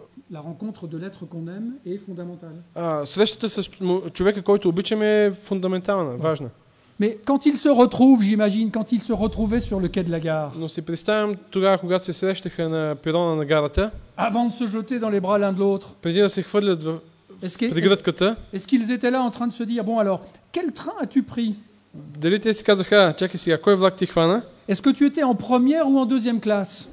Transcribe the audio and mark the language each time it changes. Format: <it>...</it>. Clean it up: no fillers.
<fr>La rencontre de l'être qu'on aime est fondamentale.</fr> <bg>Срещата с човека, който обичаме, е фундаментална, важна.</bg> <fr>Mais quand ils se retrouvent, j'imagine, quand ils se retrouvaient sur le quai de la gare.</fr> <bg>Но си представям тогава, когато се срещаха на перона на гарата.</bg> <fr>Avant de se jeter dans les bras l'un de l'autre.</fr> <bg>Преди да се хвърлят в прегръдката.</bg> <fr>Est-ce qu'ils étaient là en train de se dire, bon alors, quel train as-tu pris?</fr> <bg>Дали те си казаха, чакай сега, кой влак ти хвана?</bg> <fr>Est-ce que tu étais en première ou en deuxième classe?</fr>